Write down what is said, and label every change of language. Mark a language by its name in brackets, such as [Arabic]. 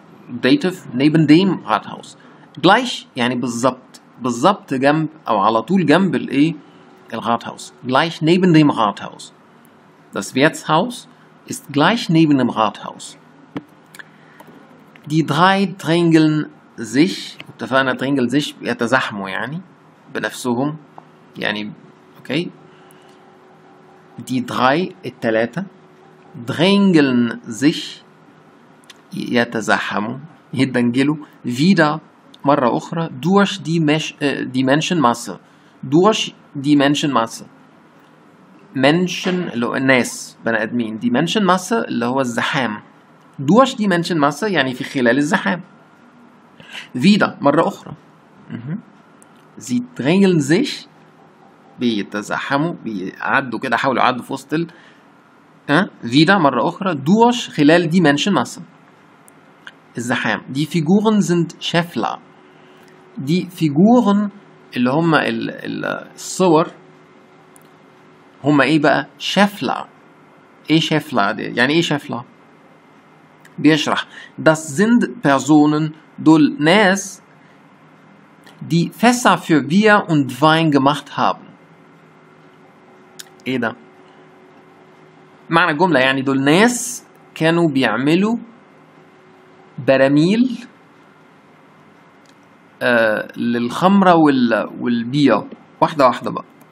[German] Dativ, neben dem Rathaus. Gleich, [Arabic] yani بالضبط. بالضبط جنب, أو على طول جنب الرathaus. [German] Gleich neben dem Rathaus. Das Wirtshaus ist gleich neben dem Rathaus. Die drei drängeln sich, [Arabic] اتفقنا [German] drängeln sich, [Arabic] يتزحموا يعني, بنفسهم, يعني, [German] okay. Die drei, [Arabic] التلاتة, [German] drängeln sich, [Arabic] يتزحموا, يدنجلوا, [German] wieder, [Arabic] مرة أخرى, [German] durch die, die Menschenmasse, durch die Menschenmasse. Menschen, [Arabic] الناس, بني آدمين, [German] die Menschenmasse, [Arabic] اللي هو الزحام. [German] Durch die Menschenmasse, [Arabic] يعني في خلال الزحام. [German] Wieder, [Arabic] مرة أخرى. [German] Sie drängeln sich, [Arabic] بيتزحموا, بيعدوا كده, حاولوا يعدوا في وسط ال, [German] wieder, [Arabic] مرة أخرى, durch, خلال [German] die Menschenmasse. [Arabic] الزحام. [German] Die Figuren sind Scheffler. Die Figuren, [Arabic] اللي هم ال, الصور, هما ايه بقى؟ شفلر. ايه شفلر دي؟ يعني ايه شفلر؟ بيشرح. [German] Das sind Personen, [Arabic] دول ناس, [German] die Fässer für Bier und Wein gemacht haben. [Arabic] ايه ده؟ معنى جملة, يعني دول ناس كانوا بيعملوا براميل للخمرة وال, والبير. واحدة واحدة بقى.